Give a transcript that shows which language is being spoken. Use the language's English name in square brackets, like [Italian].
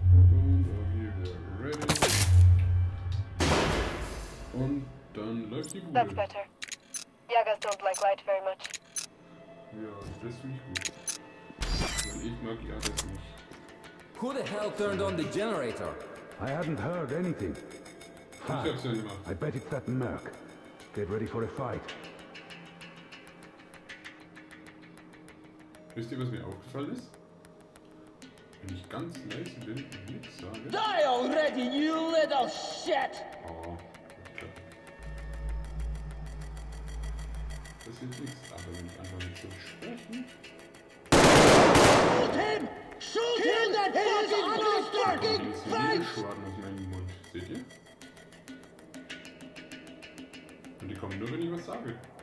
[German] Und auch hier wieder ready. Und dann läuft die Kugel. [English] That's better. Jagas don't like light very much. [German] Ja, das finde ich gut. Weil ich mag Jagas nicht. [English] Who the hell turned on the generator? I hadn't heard anything. [German] Ich hab's ja gemacht. [English] I bet it's that Merc. Get ready for a fight. [German] Wisst ihr, was mir aufgefallen ist? Wenn ich ganz leise bin und nichts sage. [English] Die already, you little shit! Oh, okay. [German] Das ist nichts, aber wenn ich einfach nicht so spreche. [English] Shoot him! Shoot him, that fucking bastard! [German] Ich hab einen Schwaden aus meinem Mund, seht ihr? Und die kommen nur, wenn ich was sage.